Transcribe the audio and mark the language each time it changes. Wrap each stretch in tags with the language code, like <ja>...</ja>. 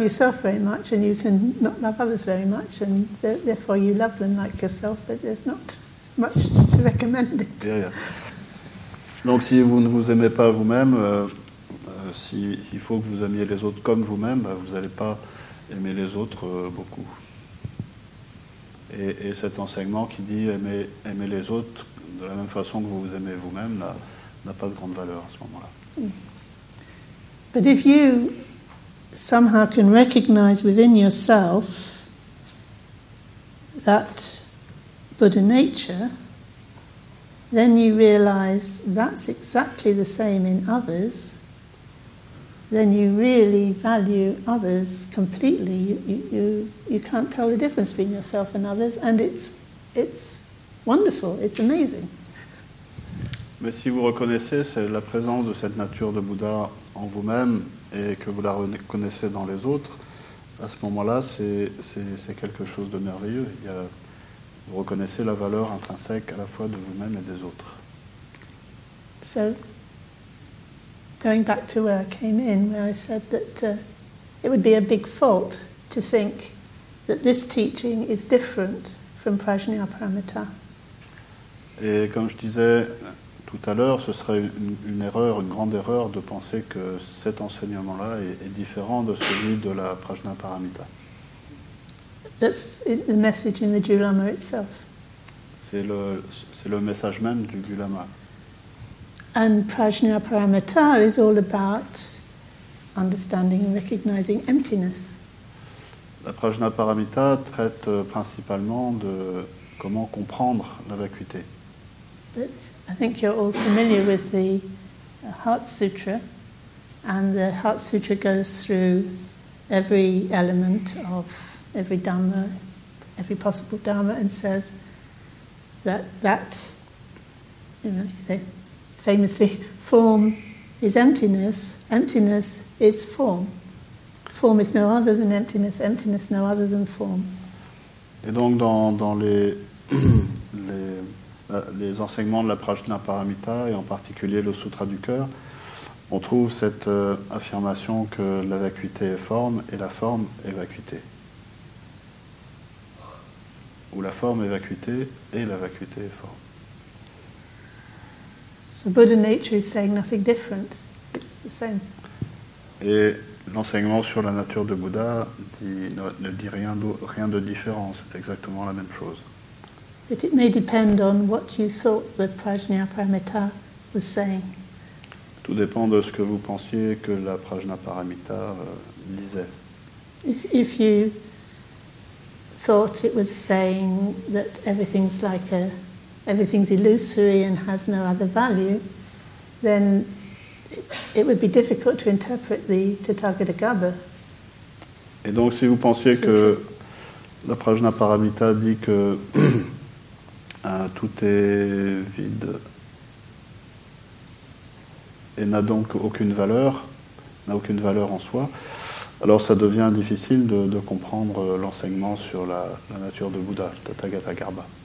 <en>yourself very much, and you can not love others very much, and therefore you love them like yourself, but there's not much to recommend it. Yeah, yeah.</en> <fr>Donc si vous ne vous aimez pas vous-même, s'il faut que vous aimiez les autres comme vous-même, vous n'allez pas aimer les autres beaucoup. Et cet enseignement qui dit aimer les autres de la même façon que vous vous aimez vous-même n'a pas de grande valeur à ce moment-là.</fr> <en>But if you somehow can recognize within yourself that Buddha nature, then you realize that's exactly the same in others, then you really value others completely. You can't tell the difference between yourself and others, and it's wonderful, it's amazing.</en> <fr>Mais si vous reconnaissez la présence de cette nature de Bouddha en vous-même et que vous la reconnaissez dans les autres, à ce moment-là, c'est quelque chose de merveilleux. Vous reconnaissez la valeur intrinsèque à la fois de vous-même et des autres.</fr> <en>So, going back to where I came in, where I said that it would be a big fault to think that this teaching is different from Prajnaparamita.</en> <fr>Et comme je disais tout à l'heure, ce serait une grande erreur de penser que cet enseignement-là est différent de celui de la Prajnaparamita.</fr> <en>That's the message in the Dulama itself.</en> <fr>C'est le message même du Dulama.</fr> <en>And Prajnaparamita is all about understanding and recognizing emptiness.</en> <fr>La Prajnaparamita traite principalement de comment comprendre la vacuité.</fr> <en>But I think you're all familiar with the Heart Sutra, and the Heart Sutra goes through every element of every Dhamma, every possible Dhamma, and says that you know, you say famously, form is emptiness, emptiness is form. Form is no other than emptiness, emptiness no other than form.</en> <fr>Et donc dans les enseignements de la Prajnaparamita, et en particulier le Sutra du cœur, on trouve cette affirmation que la vacuité est forme et la forme est vacuité. Ou la forme est vacuité et la vacuité est forme.</fr> <en>So Buddha nature is saying nothing different. It's the same.</en> <fr>Et l'enseignement sur la nature de Bouddha ne dit rien de différent. C'est exactement la même chose.</fr> <en>But it may depend on what you thought the Prajnaparamita was saying.</en> <fr>Tout dépend de ce que vous pensiez que la Prajnaparamita disait.</fr> <en>If you thought it was saying that everything's like a everything's illusory and has no other value, then it would be difficult to interpret the Tathagatagarbha.</en> <fr>Et donc si vous pensiez que la Prajnaparamita dit que tout est vide et n'a donc aucune valeur, n'a aucune valeur en soi, alors ça devient difficile de comprendre l'enseignement sur la nature de Bouddha, Tathagatagarbha.</fr>